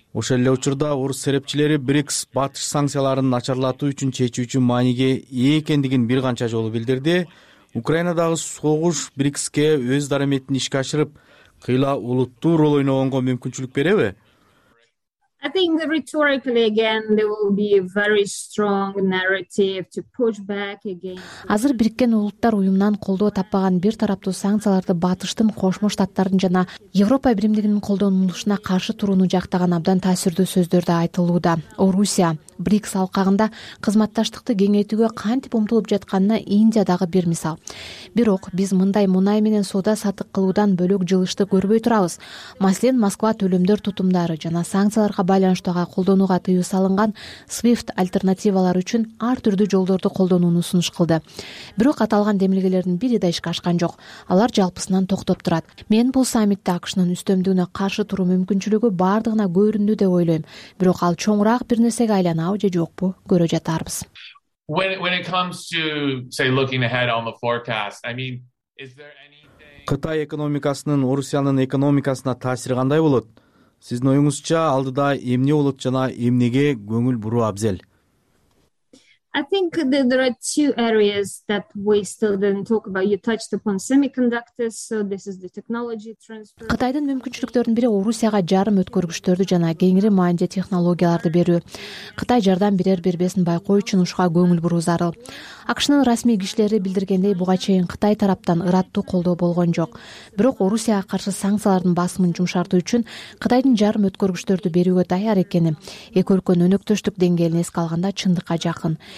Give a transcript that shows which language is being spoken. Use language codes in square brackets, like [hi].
[ky] Ошол эле учурда орус серепчилери BRICS батыш санкцияларын начарлатуу үчүн чечүүчү мааниге ээ экендигин бир канча жолу билдирди. Украинадагы согуш BRICS-ке өз дараметин ишке ашырып, кыйла улуттуу рол ойногонго мүмкүнчүлүк береби? [en] I think rhetorically again there will be a very strong narrative to push back again. [ky] Азыр Бириккен Улуттар Уюмунан колдоо таппаган бир тараптуу санкцияларды Батыштын Кошмо Штаттардын жана Европа Биримдигинин колдонулушуна каршы турууну жактаган абдан таасирдүү сөздөр да айтылууда. Орусия BRICS алкагында кызматташтыкты кеңейтүүгө кантип умтулуп жатканына Индия дагы бир мисал. Бирок биз мындай мунай менен соода сатык кылуудан бөлөк жылышты көрбөй турабыз. Маселен, Москва төлөмдөр тутумдары жана санкциялар байланыштага колдонууга тыюу салынган SWIFT альтернативалары үчүн ар түрдүү жолдорду колдонууну сунуш кылды. Бирок аталган демилгелердин бири да ишке ашкан жок. Алар жалпысынан токтоп турат. Мен бул саммитте АКШнын үстөмдүгүнө каршы туруу мүмкүнчүлүгү бардыгына көрүндү деп ойлойм. Бирок ал чоңураак бир нерсеге айланабы же жокпу көрө жатарбыз. [en] When it comes to say looking ahead on the forecast, is there anything [ky] Кытай экономикасынын Орусиянын экономикасына таасири кандай болот? Сиздин оюңузча алдыда эмне болот жана эмнеге көңүл буруу абзел? [en] I think that there are two areas that we still didn't talk about. You touched upon semiconductors, so this is the technology transfer. [ky] Кытайдын мүмкүнчүлүктөрүн бири Орусияга жарым өткөргүчтөрдү жана кеңири маанде технологияларды берүү. Кытай жардам берер бербесин байкоо үчүн ушуга көңүл буруу зарыл. АКШнын расмий кишилери билдиргендей, буга чейин Кытай тараптан ыраттуу колдоо болгон жок. Бирок Орусияга каршы санкциялардын басымын жумшартуу үчүн Кытайдын жарым өткөргүчтөрдү берүүгө даяр экени эки өлкөнүн өнөктөштүк деңгээлин эске алганда чындыкка жакын.